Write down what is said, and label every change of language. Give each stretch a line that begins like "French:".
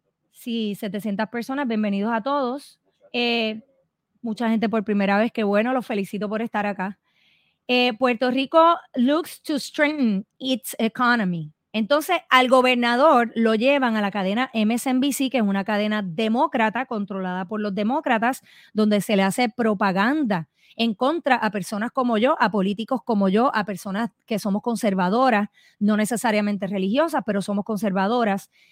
Spanish: Sí, 700 personas, bienvenidos a todos. Mucha gente por primera vez, qué bueno, los felicito por estar acá.
English: Puerto Rico looks to strengthen its economy.
Spanish: Entonces, al gobernador lo llevan a la cadena MSNBC, que es una cadena demócrata controlada por los demócratas, donde se le hace propaganda en contra a personas como yo, a políticos como yo, a personas que somos conservadoras, no necesariamente religiosas, pero somos conservadoras.